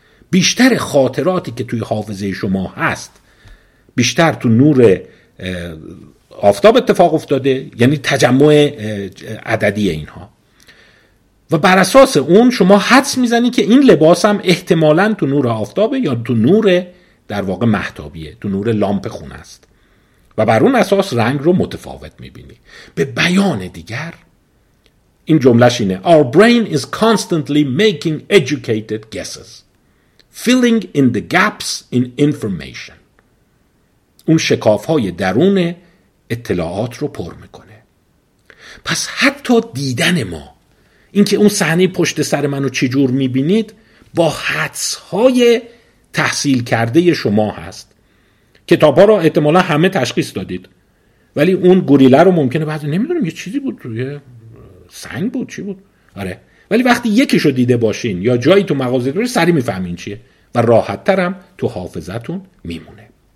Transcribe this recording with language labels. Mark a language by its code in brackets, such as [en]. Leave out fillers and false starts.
[fa] بیشتر خاطراتی که توی حافظه شما هست بیشتر تو نور آفتاب اتفاق افتاده، یعنی تجمع عددی اینها، و بر اساس اون شما حدس میزنی که این لباس هم احتمالاً تو نور آفتابه یا تو نور در واقع مهتابیه، تو نور لامپ خونه است، و بر اون اساس رنگ رو متفاوت میبینی. به بیان دیگر این جملهش اینه: [en] Our brain is constantly making educated guesses, filling in the gaps in information. [fa] اون شکاف های درونه اطلاعات رو پر میکنه. پس حتی دیدن ما، اینکه اون صحنه پشت سر منو چجور میبینید، با حدس های تحصیل کرده شما هست. کتاب ها رو احتمالا همه تشخیص دادید، ولی اون گوریله رو ممکنه بعضی نمیدونم یه چیزی بود، یه سنگ بود چی بود، آره، ولی وقتی یکیش رو دیده باشین یا جایی تو مغازه دوری سری میفهمین چیه، و راحت ترم تو حافظتون میمونه.